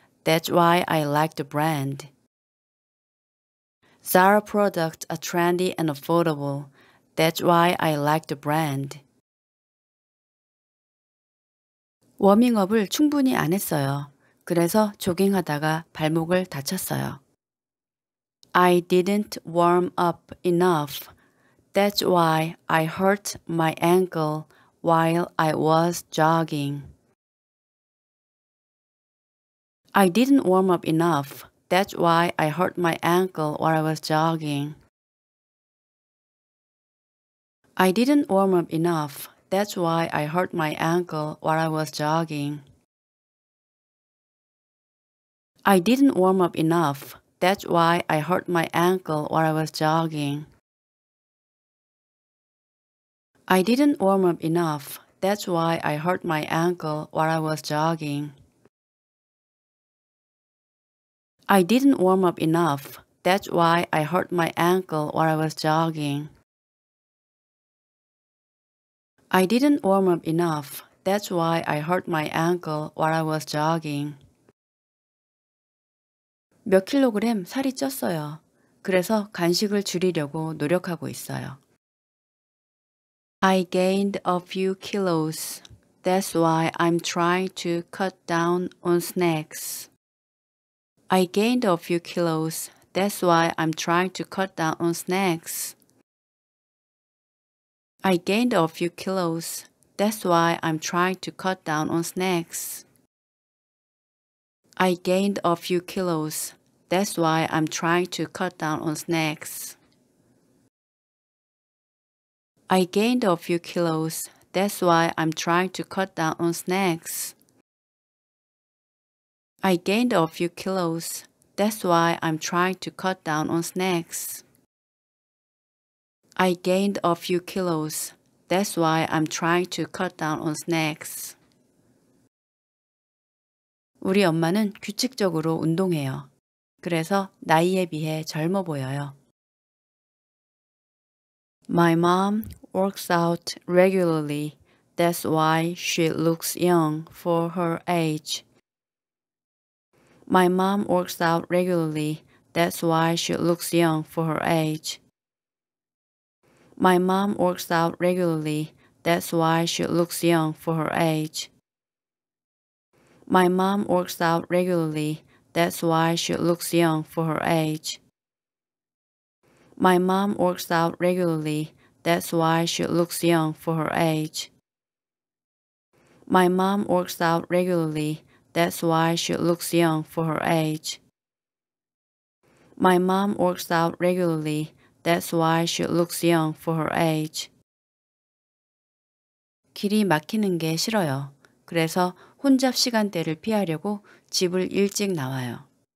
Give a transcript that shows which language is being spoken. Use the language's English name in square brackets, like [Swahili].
[English] That's why I like the brand. Zara products are trendy and affordable. That's why I like the brand. [Korean] 워밍업을 충분히 안 했어요. 그래서 조깅하다가 발목을 다쳤어요. [English] I didn't warm up enough. That's why I hurt my ankle while I was jogging. I didn't warm up enough. That's why I hurt my ankle while I was jogging. I didn't warm up enough. That's why I hurt my ankle while I was jogging. I didn't warm up enough. That's why I hurt my ankle while I was jogging. I didn't warm up enough. That's why I hurt my ankle while I was jogging. I didn't warm up enough. That's why I hurt my ankle while I was jogging. I didn't warm up enough. That's why I hurt my ankle while I was jogging. [Korean] 몇 킬로그램 살이 쪘어요. 그래서 간식을 줄이려고 노력하고 있어요. [English] I gained a few kilos. That's why I'm trying to cut down on snacks. I gained a few kilos. That's why I'm trying to cut down on snacks. I gained a few kilos. That's why I'm trying to cut down on snacks. I gained a few kilos. That's why I'm trying to cut down on snacks. I gained a few kilos. That's why I'm trying to cut down on snacks. I gained a few kilos. That's why I'm trying to cut down on snacks. I gained a few kilos. That's why I'm trying to cut down on snacks. [Korean] 우리 엄마는 규칙적으로 운동해요. 그래서 나이에 비해 젊어 보여요. [English] My mom works out regularly. That's why she looks young for her age. My mom works out regularly. That's why she looks young for her age. My mom works out regularly. That's why she looks young for her age. My mom works out regularly. That's why she looks young for her age. My mom works out regularly. That's why she looks young for her age. My mom works out regularly. That's why she looks young for her age. My mom works out regularly. That's why she looks young for her age. [Korean] 길이 막히는 게 싫어요. 그래서 혼잡 시간대를 피하려고 집을 일찍 나와요.